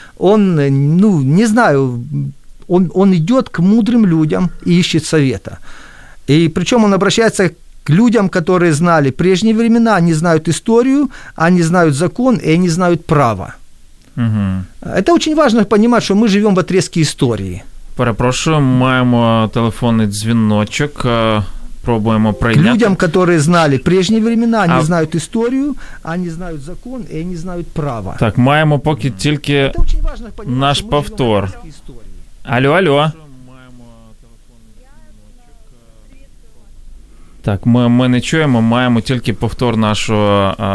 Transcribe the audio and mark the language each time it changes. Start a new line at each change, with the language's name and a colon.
Russian: Он, ну, не знаю, он идет к мудрым людям и ищет совета. И причем он обращается к людям, которые знали прежние времена, они знают историю, они знают закон и они знают право. Угу. Это очень важно понимать, что мы живем в отрезке истории.
Ukrainian: Перепрошую, маємо телефонний дзвіночок. Пробуємо прийняти.
Russian: Людям, которые знали прежние времена, они знают историю, они знают закон и они знают право.
Ukrainian: Так, маємо поки тільки наш повтор. Алло, алло. Так, ми не чуємо, маємо тільки повтор нашого.